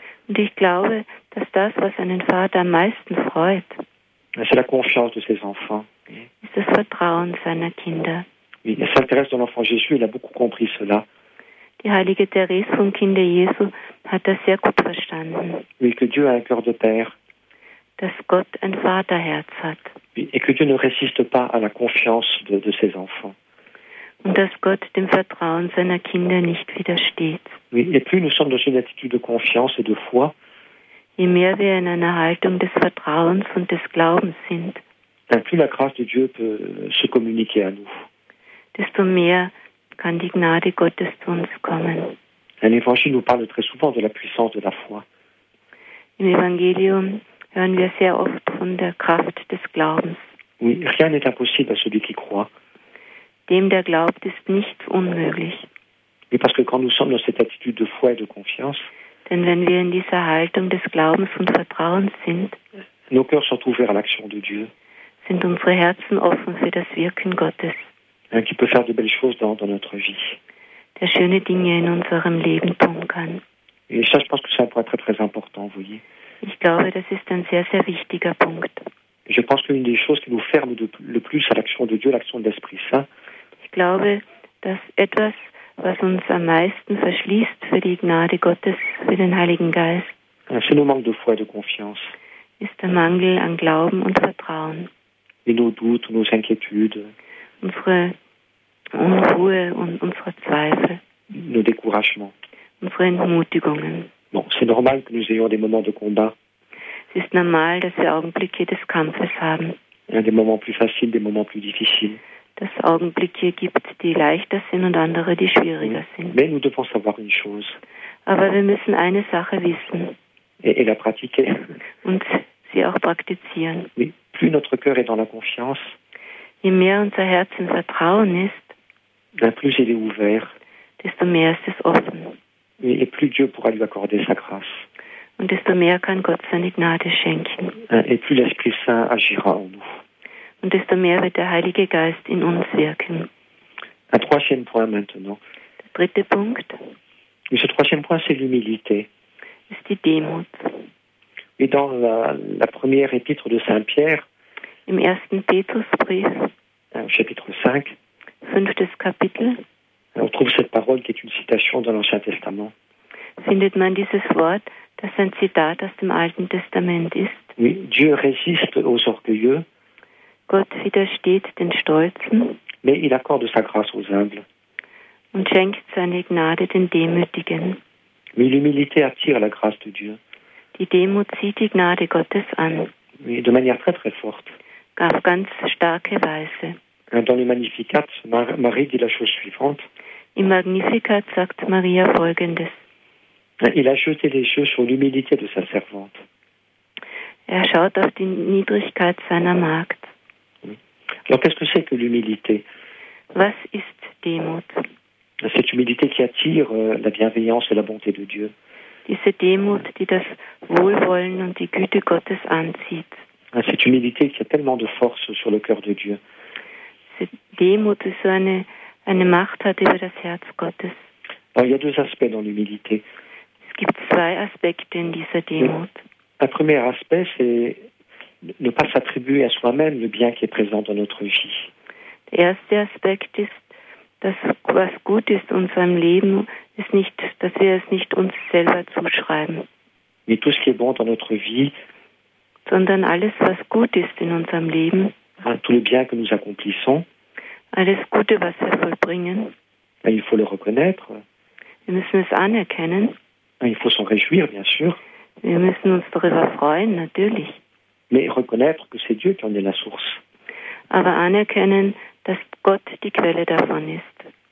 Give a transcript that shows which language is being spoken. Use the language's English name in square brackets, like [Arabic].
[German] und ich glaube, dass das, was einen Vater am meisten freut, [French] c'est la confiance de ses enfants. [German] Ist das Vertrauen seiner Kinder. [French] Oui, il s'intéresse à l'enfant Jésus, il a beaucoup compris cela. [German] Die heilige Therese vom Kinde Jesu hat das sehr gut verstanden. [French] Oui, que Dieu a un cœur de père. [German] Dass Gott ein Vaterherz hat. [French] Oui, et que Dieu ne résiste pas à la confiance de ses enfants. [German] Und dass Gott dem Vertrauen seiner Kinder nicht widersteht. [French] Et plus nous sommes dans une attitude de confiance et de foi, [German] je mehr wir in einer Haltung des Vertrauens und des Glaubens sind, [French] plus la grâce de Dieu peut se communiquer à nous. [German] Desto mehr kann die Gnade Gottes zu uns kommen. [French] L'Évangile nous parle très souvent de la puissance de la foi. [German] Im Evangelium hören wir sehr oft von der Kraft des Glaubens. [French] Oui, rien n'est impossible à celui qui croit. [German] Dem, der glaubt, ist nichts unmöglich. [French] Et parce que quand nous sommes dans cette attitude de foi et de confiance, [German] denn wenn wir in dieser Haltung des Glaubens und Vertrauens sind, [French] nos cœurs sont ouverts à l'action de Dieu, [German] sind unsere Herzen offen für das Wirken Gottes, [French] qui peut faire de belles choses dans notre vie, [German] der schöne Dinge in unserem Leben tun kann. [French] Et ça, je pense que c'est un point très très important, vous voyez. [German] Ich glaube, das ist ein sehr, sehr wichtiger Punkt. [French] Je pense que l'une des choses qui nous ferme le plus à l'action de Dieu, l'action de l'Esprit Saint, [German] ich glaube, dass etwas, was uns am meisten verschließt für die Gnade Gottes, für den Heiligen Geist, [French] c'est nos manques de foi et de confiance. [German] Ist der Mangel an Glauben und Vertrauen. [French] Et nos doutes, nos inquiétudes. [German] Unsere Unruhe und unsere Zweifel. [French] Nos découragements. [German] Unsere Entmutigungen. [French] Bon, c'est normal que nous ayons des moments de combat. [German] Es ist normal, dass wir Augenblicke des Kampfes haben. [French] Des moments plus faciles, des moments plus difficiles. [German] Dass es Augenblicke gibt, die leichter sind und andere, die schwieriger sind. [French] Mais nous devons savoir une chose. [German] Aber wir müssen eine Sache wissen. [French] Et la pratiquer. [German] Und sie auch praktizieren. [French] Oui. Plus notre cœur est dans la confiance, [German] je mehr unser Herz im Vertrauen ist, [French] plus il est ouvert, [German] desto mehr ist es offen. [French] Et plus Dieu pourra lui accorder sa grâce. [German] Und desto mehr kann Gott seine Gnade schenken. [French] Et plus l'Esprit Saint agira en nous. [German] Und desto mehr wird der Heilige Geist in uns wirken. [French] Un troisième point maintenant. [German] Der dritte Punkt. [French] Et ce troisième point, c'est l'humilité. [German] Ist die Demut. [French] Et dans la première épître de Saint Pierre. [German] Im ersten Petrusbrief. [French] Chapitre 5. [German] Fünftes Kapitel. [French] On trouve cette parole qui est une citation dans l'Ancien Testament. [German] Findet man dieses Wort, das ein Zitat aus dem Alten Testament ist? [French] Oui, Dieu résiste aux orgueilleux. [German] Gott widersteht den Stolzen. [French] Mais il accorde sa grâce aux humbles. [German] Und schenkt seine Gnade den Demütigen. [French] Mais l'humilité attire la grâce de Dieu. [German] Die Demut zieht die Gnade Gottes an. [French] Oui, de manière très très forte. [German] Auf ganz starke Weise. [French] Dans le Magnificat, Marie dit la chose suivante. [German] Im Magnificat sagt Maria Folgendes. [French] Il a jeté les yeux sur l'humilité de sa servante. [German] Er schaut auf die Niedrigkeit seiner Magd. [French] Alors qu'est-ce que c'est que l'humilité? [German] Was ist Demut? [French] Cette humilité qui attire la bienveillance et la bonté de Dieu. [German] Diese Demut, die das Wohlwollen und die Güte Gottes anzieht. [French] Cette humilité qui a tellement de force sur le cœur de Dieu. [German] Cette Demut, die so eine Macht hat über das Herz Gottes. [French] Alors, il y a deux aspects dans l'humilité. [German] Es gibt zwei Aspekte in dieser Demut. [French] Un premier aspect, c'est ne pas s'attribuer à soi-même le bien qui est présent dans notre vie. [German] Der erste Aspekt ist, dass was gut ist in unserem Leben, ist nicht, dass wir es nicht uns selber zuschreiben. [French] Mais tout ce qui est bon dans notre vie, [German] sondern alles, was gut ist in unserem Leben, [French] tout le bien que nous accomplissons, [German] alles Gute, was wir vollbringen, [French] il faut le reconnaître. [German] Wir müssen es anerkennen. [French] Il faut s'en réjouir, bien sûr. [German] Wir müssen uns darüber freuen, natürlich. [French] Mais reconnaître que c'est Dieu qui en est la source. [German] Aber anerkennen, dass Gott die Quelle davon ist.